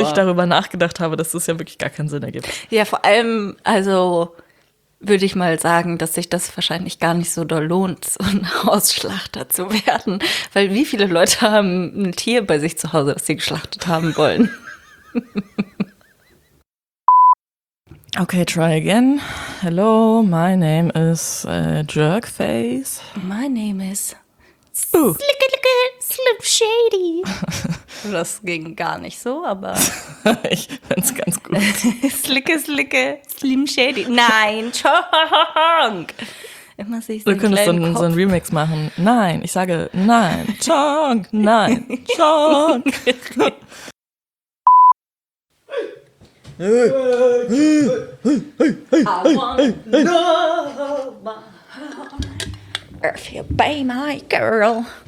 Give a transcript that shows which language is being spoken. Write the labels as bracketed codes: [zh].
[de] Dass ich darüber nachgedacht habe, dass das ja wirklich gar keinen Sinn ergibt. Ja, vor allem, also würde ich mal sagen, dass sich das wahrscheinlich gar nicht so doll lohnt, so ein Hausschlachter zu werden. Weil wie viele Leute haben ein Tier bei sich zu Hause, das sie geschlachtet haben wollen? [en] Okay, try again. Hello, my name is Jerkface. My name is Slickalicka Slim Shady. [de] Das ging gar nicht so, aber... Ich finde es ganz gut. Slicke, Slicke, Slim Shady. Nein, Chonk. Immer sehe ich so einen kleinen Kopf. Du könntest so einen Remix machen. Nein, ich sage nein, Chonk, nein, Chonk. [en] I want to know if you'll be my girl.